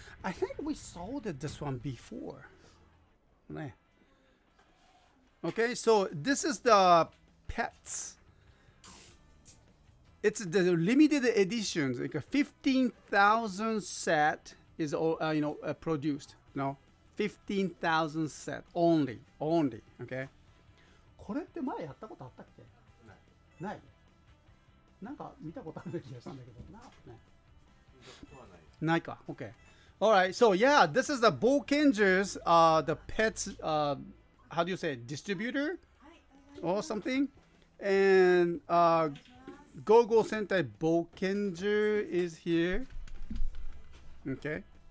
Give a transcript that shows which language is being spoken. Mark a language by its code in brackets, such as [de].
[en] I think we sold this one before. Man. Okay, so this is the pets. It's the limited editions, like 15,000 set is all, produced. No, 15,000 set only, okay? [ja] これって前やったことあったっけ? ない。ない?なんか見たことある気がしたんだけど、な、ね、ない [en] か。OK。 All right. So yeah, this is the Bull Kingers, the pet, how do you say, distributor, or something, and Gogo Sentai Bull Kinger is here. Okay.